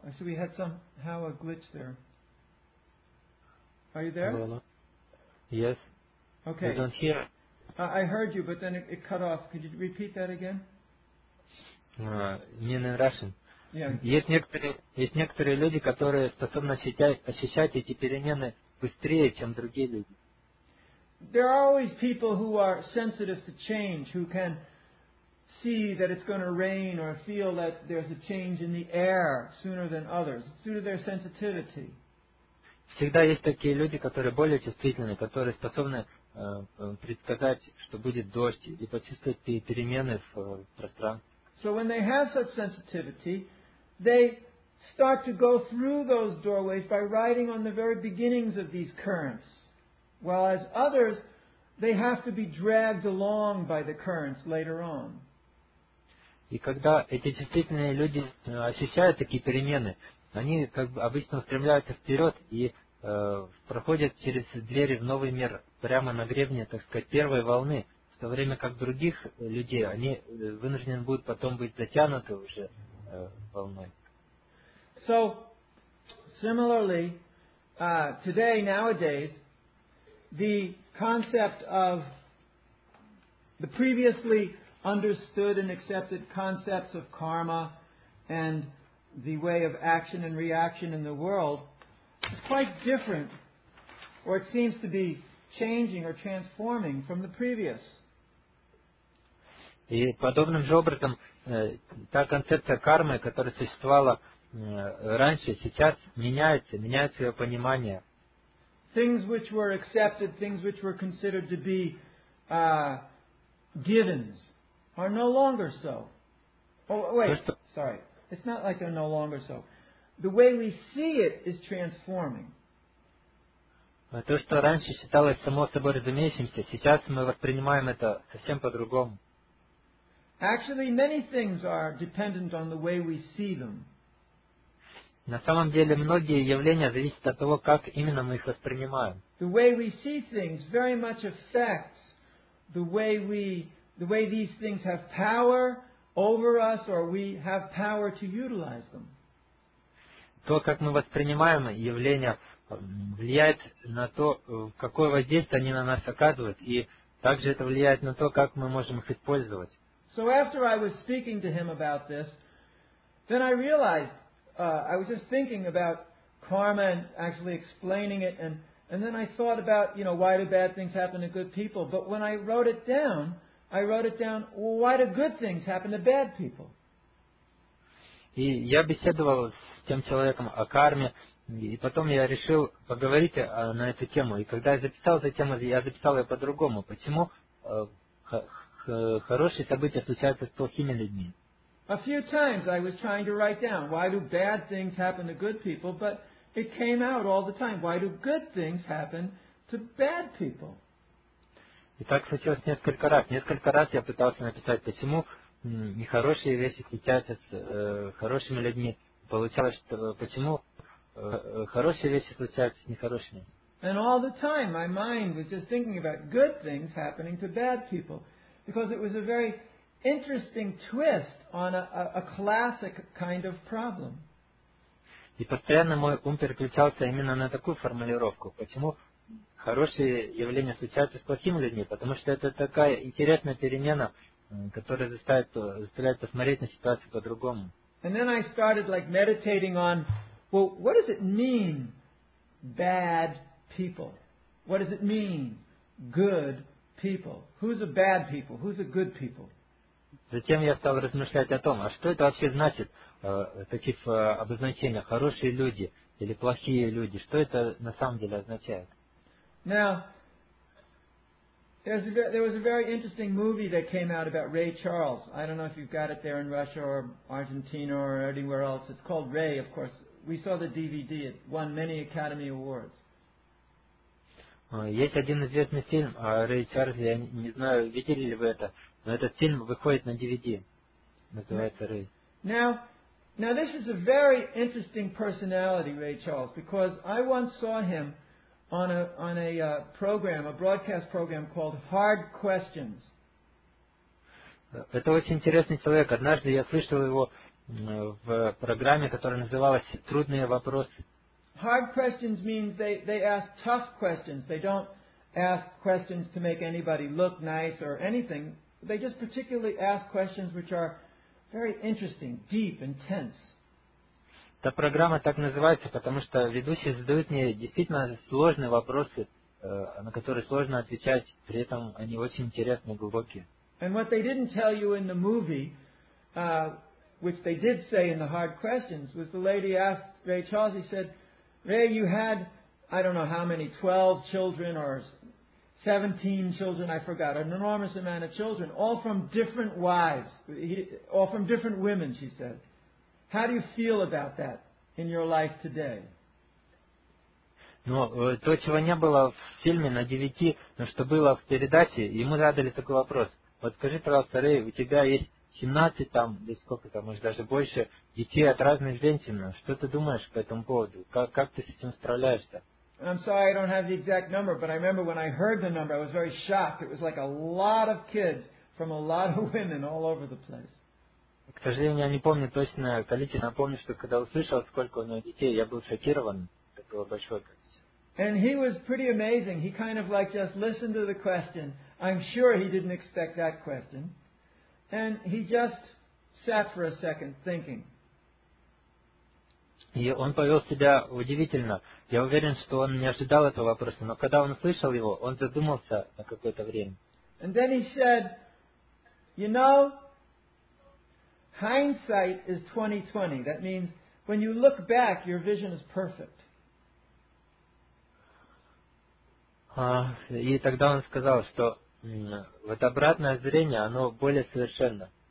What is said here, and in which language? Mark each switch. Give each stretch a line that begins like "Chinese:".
English: I see we had somehow a glitch there. Are you there? Hello. Yes. Okay. I don't hear. I heard you, but then it cut off. Could you repeat that again?
Russian: Не на Russian.
English: Yeah.
Russian: Есть некоторые люди, которые способны ощущать эти перемены быстрее, чем другие люди.
English: There are always people who are sensitive to change, who can see that it's going to rain or feel that there's a change in the air sooner than others, due to their sensitivity.
Russian: Всегда есть такие люди, которые более чувствительны, которые способны предсказать, что будет дождь, и почувствовать перемены в пространстве.
English: So when they have such sensitivity, they start to go through those doorways by riding on the very beginnings of these currents, while as others, they have to be dragged along by the currents later on.
Russian: И когда эти чувствительные люди ощущают такие перемены, они как бы обычно устремляются вперед и проходят через двери в новый мир прямо на гребне, так сказать, первой волны, в то время как других людей, они вынуждены будут потом быть затянуты уже волной.
English: So, similarly, today, nowadays, the concept of the previously understood and accepted concepts of karma and the way of action and reaction in the world is quite different, or it seems to be changing or transforming from the previous.
Russian: И подобным же образом та концепция кармы, которая существовала раньше, сейчас меняется ее понимание.
English: Things which were accepted, things which were considered to be givens, are no longer so. Oh, wait, sorry. It's not like they're no longer so. The way we see it is transforming.
Russian: То, что раньше считалось само собой разумеющимся, сейчас мы воспринимаем это совсем по-другому.
English: Actually, many things are dependent on the way we see them.
Russian: На самом деле, многие явления зависят от того, как именно мы их воспринимаем.
English: The way we see things very much affects the way these things have power over us, or we have power to utilize them.
Russian: То, как мы воспринимаем явления, влияет на то, какое воздействие они на нас оказывают, и также это влияет на то, как мы можем их использовать.
English: So after I was speaking to him about this, then I realized, I was just thinking about karma and actually explaining it, and then I thought about, you know, why do bad things happen to good people? But when I wrote it down, well, why do good things happen to bad people?
Russian: И я беседовал с тем человеком о карме, и потом я решил поговорить на эту тему. И когда я записал эту тему, я записал ее по-другому. Почему хорошие события случаются с плохими людьми?
English: A few times I was trying to write down, why do bad things happen to good people? But it came out all the time, why do good things happen to bad people?
Russian: И так случилось несколько раз. Несколько раз я пытался написать, почему нехорошие вещи случаются с хорошими людьми. Получалось, что почему хорошие вещи случаются с нехорошими.
English: And all the time my mind was just thinking about good things happening to bad people. Because it was a very interesting twist on a classic kind of problem.
Russian: И постоянно мой ум переключался именно на такую формулировку. Почему хорошие явления случаются с плохими людьми? Потому что это такая интересная перемена, которая заставляет посмотреть на ситуацию по-другому.
English: And then I started like meditating on, well, what does it mean, bad people? What does it mean, good people? Who's a bad people? Who's a good people?
Russian: Затем я стал размышлять о том, а что это вообще значит, таких обозначений, хорошие люди или плохие люди, что это на самом деле означает?
English: Now, there was a very interesting movie that came out about Ray Charles. I don't know if you've got it there in Russia or Argentina or anywhere else. It's called Ray, of course. We saw the DVD. It won many Academy Awards.
Russian: Есть один известный фильм о Рэй Чарльзе, я не знаю, видели ли вы это, но этот фильм выходит на DVD, называется Рэй.
English: Now, this is a very interesting personality, Рэй Чарльз, because I once saw him on a program, a broadcast program called Hard Questions.
Russian: Это очень интересный человек. Однажды я слышал его в программе, которая называлась «Трудные вопросы».
English: Hard questions means they ask tough questions. They don't ask questions to make anybody look nice or anything. They just particularly ask questions which are very interesting, deep, intense.
Russian: Та программа так называется, потому что ведущие задают мне действительно сложные вопросы, на которые сложно отвечать, при этом они очень интересные, глубокие.
English: And what they didn't tell you in the movie, which they did say in the hard questions, was the lady asked Ray Charles, he said, Ray, you had, I don't know how many, 12 children or 17 children, I forgot, an enormous amount of children, all from different wives, all from different women, she said. How do you feel about that in your life today?
Russian: Но то, чего не было в фильме на DVD, но что было в передаче, ему задали такой вопрос. Вот скажи, пожалуйста, Рэй, у тебя есть 17 там, или сколько там, может даже больше, детей от разных женщин. Что ты думаешь по этому поводу? Как ты с этим справляешься?
English: I'm sorry I don't have the exact number, but I remember when I heard the number, I was very shocked. It was like a lot of kids from a lot of women all over the place.
Russian: К сожалению, я не помню точное количество, но помню, что когда услышал, сколько у него детей, я был шокирован. Это было большое количество.
English: And he was pretty amazing. He kind of like just listened to the question. I'm sure he didn't expect that question. And he just sat for a second thinking.
Russian: И он повел себя удивительно. Я уверен, что он не ожидал этого вопроса, но когда он услышал его, он задумался на какое-то время.
English: And then he said, you know, hindsight is 20/20. That means when you look back, your vision is perfect.
Russian: И тогда он сказал, что вот обратное зрение, оно более совершенно.